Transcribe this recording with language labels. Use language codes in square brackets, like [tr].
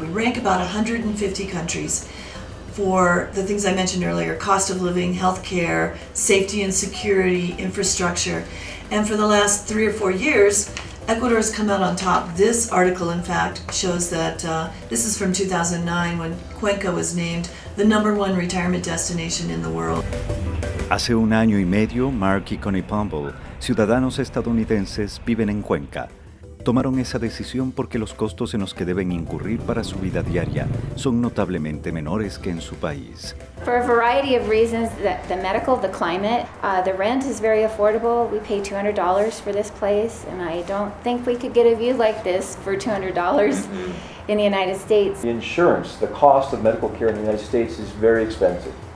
[en] We rank about 150 countries for the things I mentioned earlier: cost of living, healthcare, safety and security, infrastructure. And for the last 3 or 4 years, Ecuador has come out on top. This article, in fact, shows that this is from 2009 when Cuenca was named the number one retirement destination in the world. [es] Hace un año y medio, Mark y Connie Pumble, ciudadanos estadounidenses, viven en Cuenca. Tomaron esa decisión porque los costos en los que deben incurrir para su vida diaria son notablemente menores que en su país. [en] For a variety of reasons, the medical, the climate, the rent is very affordable. We pay $200 for this place, and I don't think we could get a view like this for $200 in the United States. The insurance, the cost of medical care in the United States is very expensive.